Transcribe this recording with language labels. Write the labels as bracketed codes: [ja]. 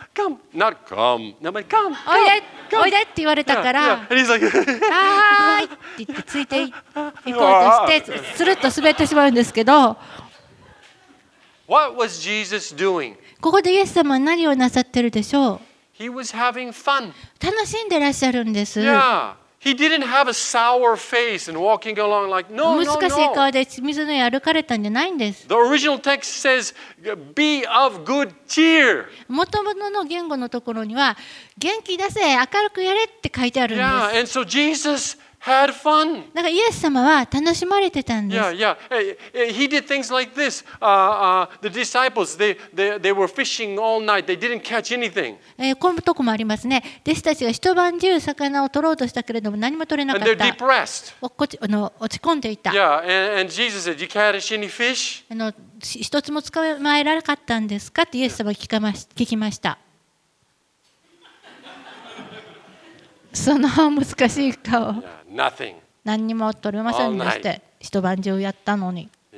[en] Come, not come, no, but come. [ja] おいで、おいでって言われたから、 [en] And he's like, [ja] はーいって言ってついて行こうとして、スルッと滑ってしまうんですけど、 [en] What was Jesus doing? [ja] ここでイエス様は何をなさってるでしょう。 [en] He was having fun. [ja] 楽しんでらっしゃるんです。 [en] Yeah. He didn't have a sour face and walking along like, no, no, no. [ja] 難しい顔で水の上歩かれたんじゃないんです。 [en] The original text says, be of good cheer. [ja] 元々の言語のところには、元気出せ、明るくやれって書いてあるんです。 [en] Yeah. And so Jesus had fun. [ja] なんかイエス様は楽しまれてたんです。 [en] Yeah, yeah. He did things like this. The disciples, they were fishing all night. They didn't catch anything. [ja] こういうとこもありますね。弟子たちが一晩中魚を取ろうとしたけれども何も取れなかった。 [en] And they're depressed. [ja] 落ち込んでいた。 [en] Yeah, and Jesus said, "You catch any fish?" [ja] 一つも捕まえられなかったんですかってイエス様は聞きました。その難しい顔。何にも取れませんでした。一晩中やったのに。